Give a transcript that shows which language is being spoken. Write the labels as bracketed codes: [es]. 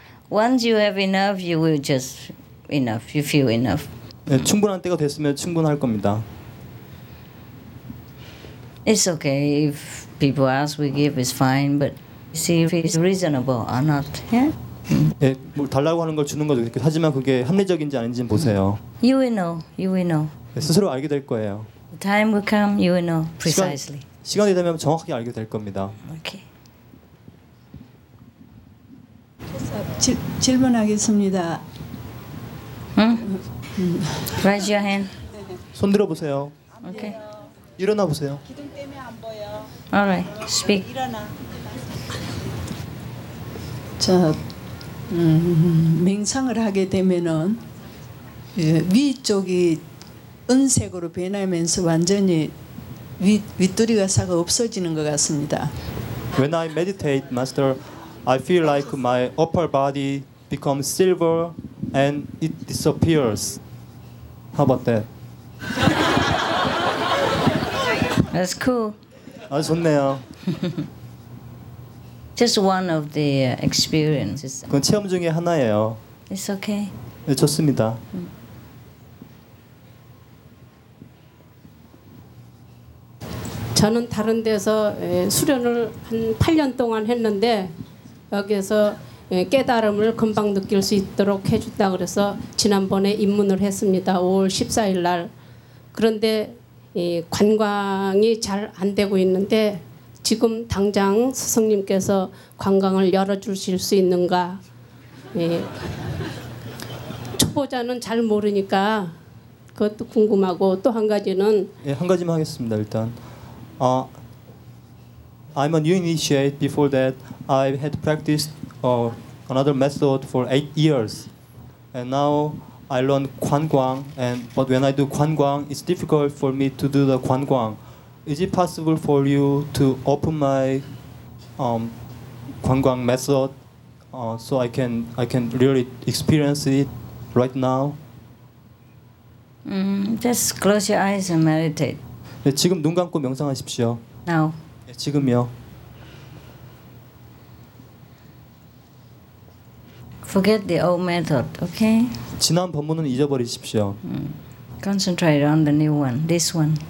[en] Once you have enough, you will just enough. You feel enough. [ko] 네, 충분한 때가 됐으면 충분할 겁니다. [en] It's okay if people ask, we give is fine, but see if it's reasonable or not. Yeah? [ko] 네, 뭘 달라고 하는 걸 주는 거죠. 하지만 그게 합리적인지 아닌지 보세요. [en] You will know. You will know. [ko] 네, 스스로 알게 될 거예요. [en] Time will come, you will know precisely. [ko] 시간이 되면 정확히 알게 될 겁니다. [en] Okay. [ko] 질문하겠습니다. [en] 응? Raise your hand. [ko] 손 들어보세요. [en] Okay. [ko] 일어나 보세요. 기둥 때문에 안 보여. [en] All right. Speak. [ko] 일어나. 자, 명상을 하게 되면은 위쪽이 은색으로 변하면서 완전히 윗두리가 사가 없어지는 것 같습니다. [en] When I meditate, Master, I feel like my upper body becomes silver and it disappears. How about that? That's cool. [ko] 아, 좋네요. [en] Just one of the experiences. [ko] 그건 체험 중에 하나예요. [en] It's okay. [ko] 네, 좋습니다. 저는 다른 데서 수련을 한 8년 동안 했는데 여기에서 깨달음을 금방 느낄 수 있도록 해준다 그래서 지난번에 입문을 했습니다. 5월 14일 날. 그런데 관광이 잘 안 되고 있는데 지금 당장 스승님께서 관광을 열어주실 수 있는가. 초보자는 잘 모르니까 그것도 궁금하고 또 한 가지는 예, 한 가지만 하겠습니다. 일단 [en] I'm a new initiate. Before that, I had practiced another method for 8 years, and now I learn Guanguang. But when I do Guanguang, it's difficult for me to do the Guanguang. Is it possible for you to open my Guanguang method so I can really experience it right now? Just close your eyes and meditate. [ko] 네, 지금 눈 감고 명상하십시오. [en] Now. [ko] 네, 지금요. [en] Forget the old method, okay? [ko] 지난 법문은 잊어버리십시오. [en] Concentrate on the new one, this one.